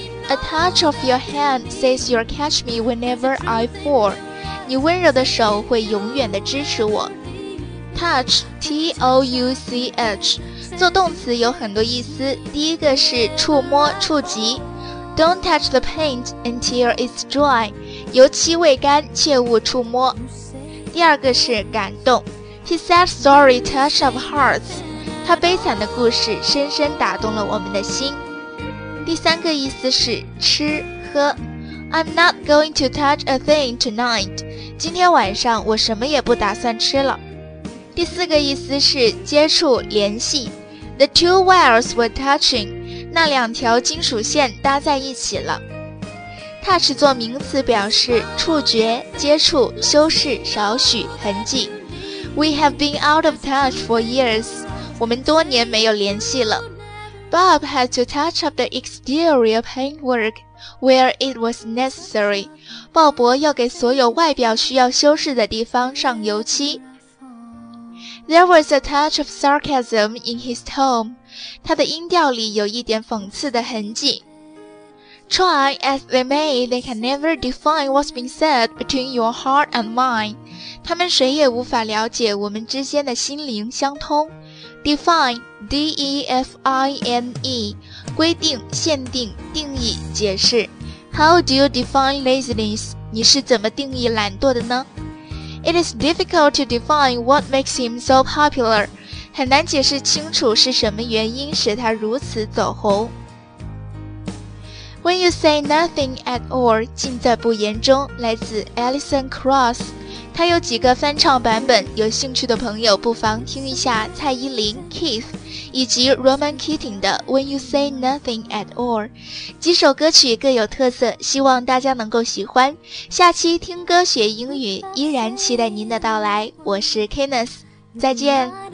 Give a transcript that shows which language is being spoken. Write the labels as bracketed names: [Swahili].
[English] A touch of your hand says you'll catch me whenever I fall. [Chinese] 你温柔的手会永远的支持我。Touch, T-O-U-C-H, 做动词有很多意思，第一个是触摸、触及。 [English] Don't touch the paint until it's dry. [Chinese] 油漆未干，切勿触摸。第二个是感动 [English] His sad story touched our hearts [Chinese] 他悲惨的故事深深打动了我们的心。第三个意思是吃喝 [English] I'm not going to touch a thing tonight [Chinese] 今天晚上我什么也不打算吃了。第四个意思是接触联系 [English] The two wires were touching [Chinese] 那两条金属线搭在一起了。 Touch 做名词表示触觉、接触、修饰、少许、痕迹。 [English] We have been out of touch for years. [Chinese] 我们多年没有联系了。 [English] Bob had to touch up the exterior paintwork where it was necessary. [Chinese] 鲍勃要给所有外表需要修饰的地方上油漆。 [English] There was a touch of sarcasm in his tone. [Chinese] 他的音调里有一点讽刺的痕迹。 [English] Try as they may, they can never define what's been said between your heart and mine. [Chinese] 他们谁也无法了解我们之间的心灵相通。 Define, D-E-F-I-N-E, 规定、限定、定义、解释。 [English] How do you define laziness? [Chinese] 你是怎么定义懒惰的呢？ [English] It is difficult to define what makes him so popular. [Chinese] 很难解释清楚是什么原因使他如此走红。 [English] When you say nothing at all, [Chinese] 尽在不言中，来自 Alison Krauss。她有几个翻唱版本，有兴趣的朋友不妨听一下蔡依林、Keith 以及 Roman Keating 的 When you say nothing at all。几首歌曲各有特色，希望大家能够喜欢。下期听歌学英语依然期待您的到来，我是 Kenneth， 再见。